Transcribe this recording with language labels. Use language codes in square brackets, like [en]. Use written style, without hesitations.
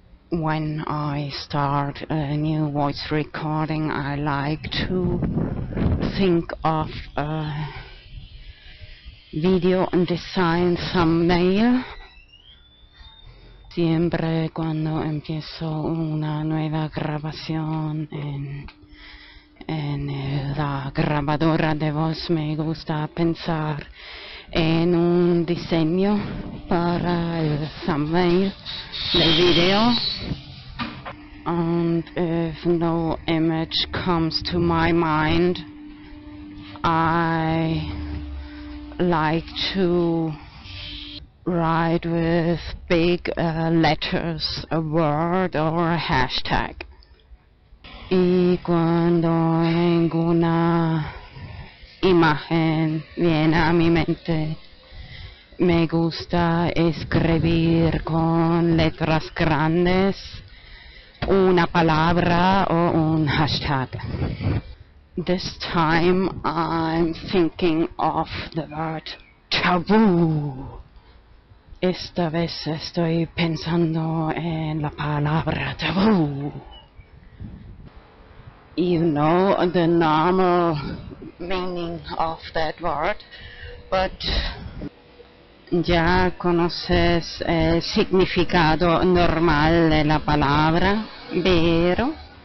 [en] When I start a new voice recording, I like to think of a video and design thumbnail. [es] Siempre cuando empiezo una nueva grabación en la grabadora de voz, me gusta pensar en un diseño para el thumbnail del video. [en] And if no image comes to my mind, I like to write with big letters a word or a hashtag. [es] Y cuando ninguna imagen viene a mi mente, me gusta escribir con letras grandes una palabra o un hashtag. [en] This time I'm thinking of the word taboo. [es] Esta vez estoy pensando en la palabra taboo. [en] You know the normal meaning of that word, but [es] ya conoces el significado normal de la palabra, pero